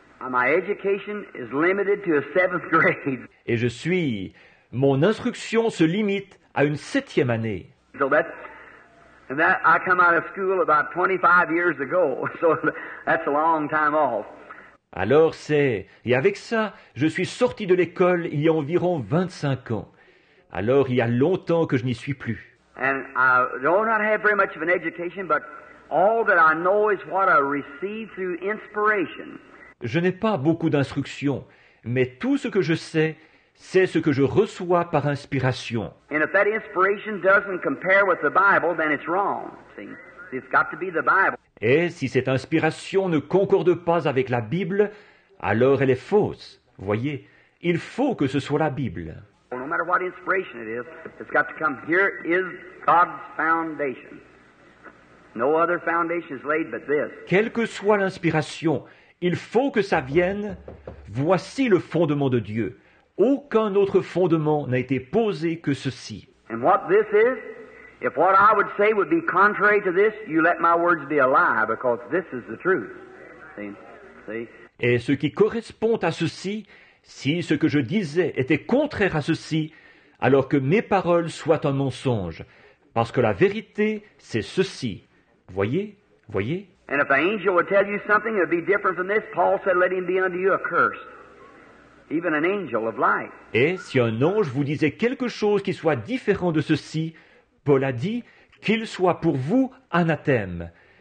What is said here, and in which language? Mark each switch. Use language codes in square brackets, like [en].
[en] My education is limited to a seventh grade. [fr] Et je suis... Mon instruction se limite à une septième année. [en] So that I come out of school about 25 years ago. So that's a long time off. [fr] Alors c'est... Et avec ça, je suis sorti de l'école il y a environ 25 ans. Alors il y a longtemps que je n'y suis plus. [en] And I do not have very much of an education, but all that I know is what I receive through inspiration. [fr] Je n'ai pas beaucoup d'instructions, mais tout ce que je sais, c'est ce que je reçois par inspiration. [en] And if that inspiration doesn't compare with the Bible, then it's wrong. See, it's got to be the Bible. [fr] Et si cette inspiration ne concorde pas avec la Bible, alors elle est fausse. Voyez, il faut que ce soit la Bible. [en] Well, no matter what inspiration it is, it's got to come. Here is God's foundation. No other foundation is laid but this. [fr] Quelle que soit l'inspiration, il faut que ça vienne. Voici le fondement de Dieu. Aucun autre fondement n'a été posé que ceci. [en] And what this is, if what I would say would be contrary to this, you let my words be a lie, because this is the truth. See? [fr] Et ce qui correspond à ceci, si ce que je disais était contraire à ceci, alors que mes paroles soient un mensonge, parce que la vérité, c'est ceci. Voyez, voyez. [en] And if an angel would tell you something, it would be different from this. Paul said, let him be unto you a curse. Even an angel of light. [fr] Et si un ange vous disait quelque chose qui soit différent de ceci, Paul a dit, qu'il soit pour vous anathème.